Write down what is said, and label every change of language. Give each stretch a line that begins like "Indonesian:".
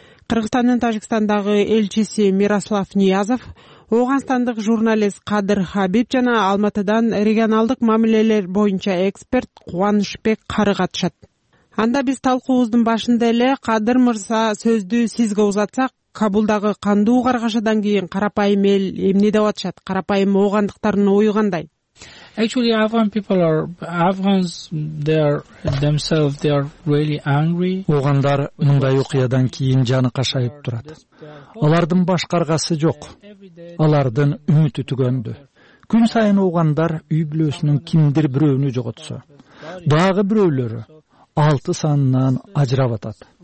Kyrgyz: Кыргызстандын Тажикстандагы элчиси Мирослав Ниязов, Ооганстандык журналист Кадыр Хабиб жана Алматыдан регионалдык мамилелер боюнча эксперт Кубанышбек Кары катышат. Анда биз талкуубуздун башында эле Кадыр мырза сөздү сизге узатсак, Кабулдагы кандуу каргашадан кийин карапайым эл эмне деп атышат? Карапайым оогандыктардын ою кандай?
English: Actually, Afghans themselves are really angry.
Kyrgyz: Оогандар мындай окуядан кийин жаны кашайып турат. Алардын баш каргасы жок. Алардын үмүтү түгөндү. Күн сайын оогандар үй бүлөсүнүн кимдир бирөөнү жоготсо, дагы бирөөлөрү 6 санынан ажырап атат.